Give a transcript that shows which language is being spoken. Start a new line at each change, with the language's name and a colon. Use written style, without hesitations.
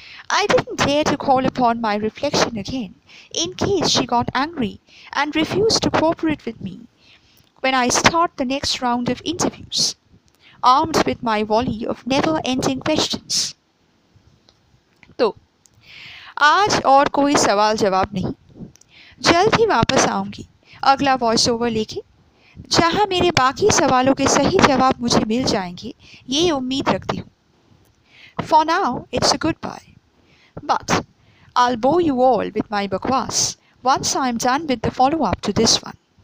English: I didn't dare to call upon my reflection again, in case she got angry and refused to cooperate with me when I start the next round of interviews, armed with my volley of never-ending questions.
Hindi: तो, आज और कोई सवाल-जवाब नहीं, जल्द ही वापस आऊंगी, अगला voiceover लेके, जहां मेरे बाकी सवालों के सही जवाब मुझे मिल जाएंगे, ये उम्मीद रखती हूँ.
English: For now, it's a goodbye. But I'll bore you all with my bakwas once I'm done with the follow-up to this one.